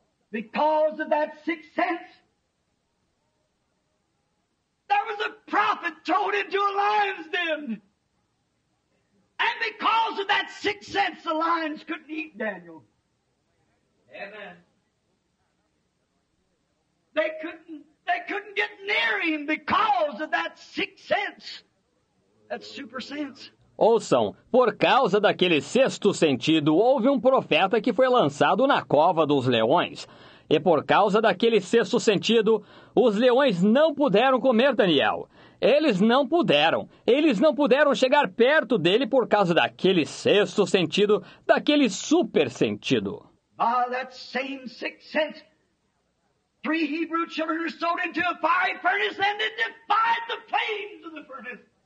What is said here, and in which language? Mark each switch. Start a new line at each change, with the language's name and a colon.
English: Because of that sixth sense, there was a prophet thrown into a lion's den. And because of that sixth sense, the lions couldn't eat Daniel. Amen. They couldn't get near him because of that sixth sense. That's super sense.
Portuguese: Ouçam, por causa daquele sexto sentido, houve um profeta que foi lançado na cova dos leões. E por causa daquele sexto sentido, os leões não puderam comer Daniel. Eles não puderam chegar perto dele por causa daquele sexto sentido, daquele super sentido.
English: By that same sixth sense, three Hebrew children were sold into a fiery furnace and it defied the flames of the furnace.